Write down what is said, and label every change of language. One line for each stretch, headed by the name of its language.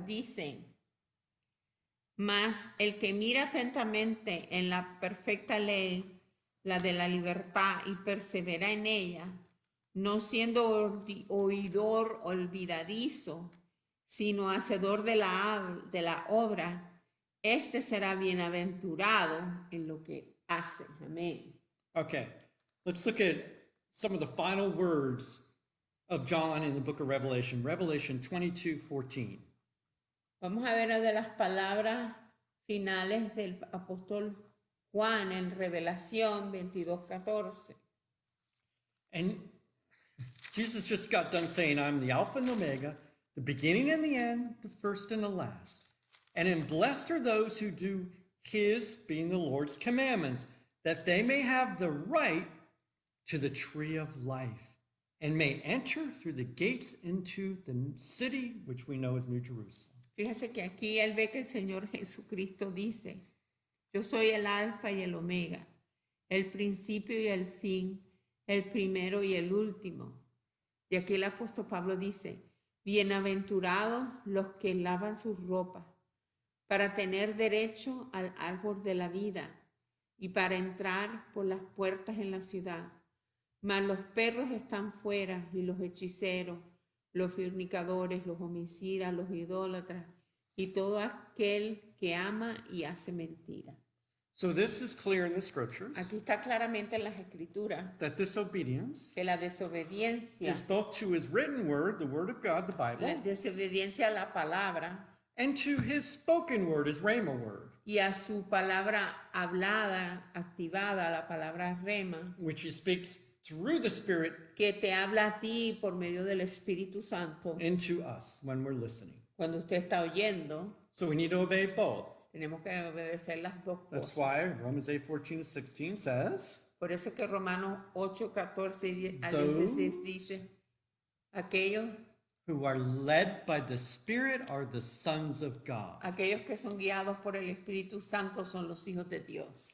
Spanish: Dice: Mas el que mira atentamente en la perfecta ley, la de la libertad, y persevera en ella, no siendo oidor olvidadizo, sino hacedor de la obra, este será bienaventurado en lo que hace. Amén.
English: Okay, let's look at some of the final words of John in the book of Revelation, Revelation 22:14.
Spanish: Vamos a ver una de las palabras finales del apóstol Juan en Revelación 22:14.
English: And Jesus just got done saying, I'm the Alpha and the Omega, the beginning and the end, the first and the last. And then blessed are those who do his, being the Lord's commandments, that they may have the right to the tree of life and may enter through the gates into the city, which we know is New Jerusalem.
Spanish: Fíjese que aquí él ve que el Señor Jesucristo dice: Yo soy el Alfa y el Omega, el principio y el fin, el primero y el último. Y aquí el apóstol Pablo dice: Bienaventurados los que lavan sus ropas para tener derecho al árbol de la vida y para entrar por las puertas en la ciudad. Mas los perros están fuera y los hechiceros, los fornicadores, los homicidas, los idólatras y todo aquel que ama y hace mentira.
English: So this is clear in the
Spanish: Aquí
English: scriptures
Spanish: está claramente en las escrituras
English: that disobedience
Spanish: que la
English: is
Spanish: desobediencia,
English: both to his written word, the word of God, the
Spanish: la
English: Bible,
Spanish: desobediencia a la palabra
English: and to his spoken word, his rhema word,
Spanish: y a su palabra hablada, activada, la palabra rema.
English: which he speaks through the Spirit
Spanish: Que te habla a ti por medio del Espíritu Santo.
English: into us when we're listening.
Spanish: Cuando usted está oyendo,
English: So we need to obey both.
Spanish: tenemos que obedecer las dos
English: That's
Spanish: cosas.
English: why Romans 8:14-16 says,
Spanish: Por eso es que Romanos 8, 14 al 16
English: those
Spanish: dice: Aquellos
English: who are led by the Spirit are the sons of God.
Spanish: que son guiados por el Espíritu Santo son los hijos de Dios.